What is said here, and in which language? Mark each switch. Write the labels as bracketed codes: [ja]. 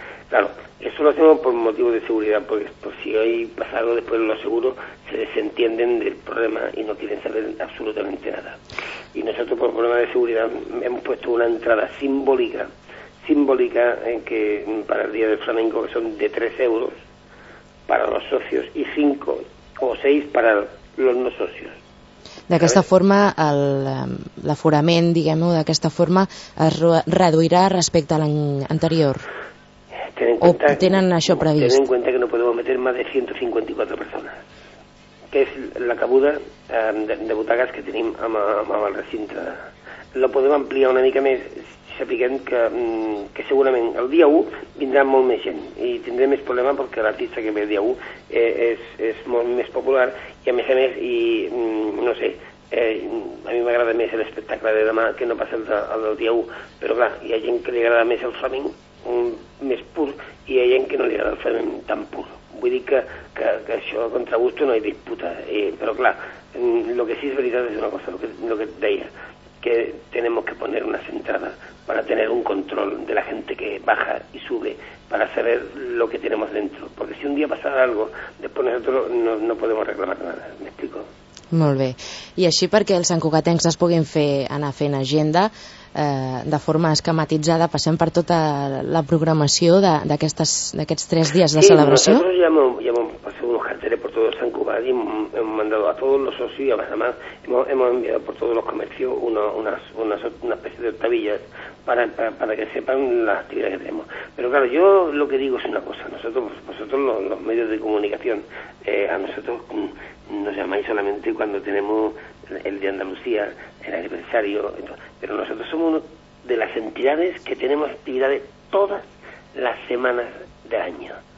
[es] Claro, eso lo hacemos por motivo de seguridad, porque por si hay pasado después los seguros se desentienden del problema y no quieren saber absolutamente nada. Y nosotros por problema de seguridad hemos puesto una entrada simbólica en que para el Día del Flamenco, que son de 3 euros para los socios y 5 o 6 para los no socios. [ca] D'aquesta forma, l'aforament, diguem-ho, d'aquesta forma es reduirà respecte a l'any anterior. Tenen això previst. Tenen en compte que no podem meter més de 154 persones, que és la cabuda de butaques que tenim amb el recinte. La podem ampliar una mica més, sapiguem que segurament el dia 1 vindrà molt més gent i tindrem més problema perquè l'artista que ve el dia 1 és molt més popular i a més, i no sé, a mi m'agrada més l'espectacle de demà que no passa el del dia 1, però clar, hi ha gent que li agrada més el flamenc més pur i hi ha gent que no li agrada el flamenc tan pur. Vull dir que això contra gusto no hi disputa, però clar, el que sí és veritat és una cosa, el que deia, que tenem que [es] poner una centrada para tener un control de la gente que baja y sube, para saber lo que tenemos dentro. Porque si un día pasa algo, después nosotros no podemos reclamar nada, ¿me explico? [ca] Molt bé. I així, perquè els santcugatencs es puguin anar fent agenda de forma esquematitzada, passem per tota la programació d'aquests tres dies de celebració? [es] Sí, nosotros ya hemos pasado unos carteles por todo Sant Cugat y hemos mandado a todos los socios y además hemos enviado por todos los comercios una especie de octavillas para que sepan las actividades que tenemos. Pero claro, yo lo que digo es una cosa, nosotros los medios de comunicación, a nosotros nos llamáis solamente cuando tenemos el de Andalucía, el aniversario, pero nosotros somos uno de las entidades que tenemos actividades todas las semanas del año.